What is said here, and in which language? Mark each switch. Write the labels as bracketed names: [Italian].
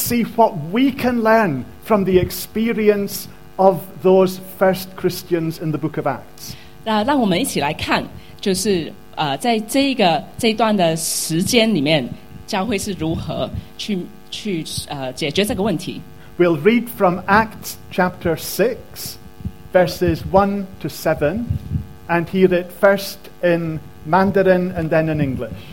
[English] see what we can learn from the experience of those first Christians in the book of Acts. [Chinese] 让我们一起来看，就是在这段的时间里面，教会是如何去解决这个问题。 [English] We'll read from Acts chapter 6, verses 1 to 7, and hear it first in Mandarin and then in English.